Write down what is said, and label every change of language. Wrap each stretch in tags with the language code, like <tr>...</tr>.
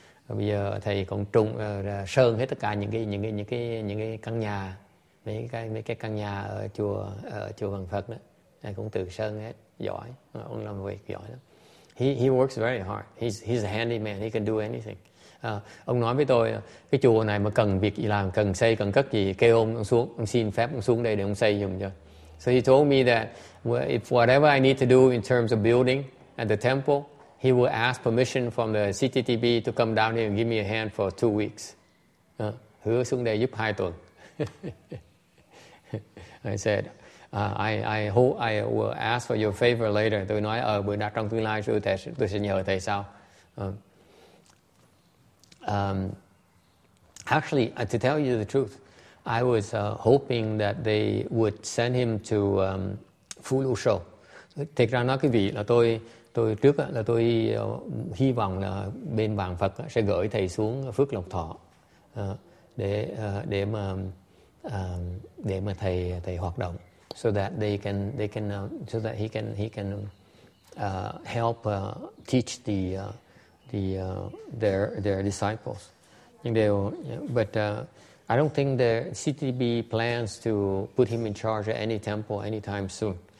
<vi>Rồi bây giờ thầy còn sơn hết tất cả những cái căn nhà, mấy cái căn nhà ở chùa Vạn Phật đó, thầy cũng tự sơn hết, giỏi, ông làm việc giỏi lắm.</vi> <en>He works very hard. He's a handyman. He can do anything.</en> <vi>Ông nói với tôi cái chùa này mà cần việc gì làm, cần xây, cần cất gì, kêu ông xuống, ông xin phép ông xuống đây để ông xây giùm cho.</vi> <en>So he told me that if whatever I need to do in terms of building at the temple, he will ask permission from the CTTB to come down here and give me a hand for 2 weeks.</en> <vi>Hứa xuống đây giúp 2 tuần.</vi> <en>I said, I will ask for your favor later.</en> <vi>Tôi nói ở bữa nào trong tương lai tôi sẽ nhờ thầy sau.</vi> <en>Actually, to tell you the truth, I was hoping that they would send him to Phu Lu Sâu.</en> <vi>Thực ra nói quý vị là tôi hy vọng là bên Vạn Phật sẽ gửi thầy xuống Phước Lộc Thọ để mà thầy hoạt động,</vi> <en>so that he can help teach their disciples. But I don't think the CTB plans to put him in charge at any temple anytime soon.</en>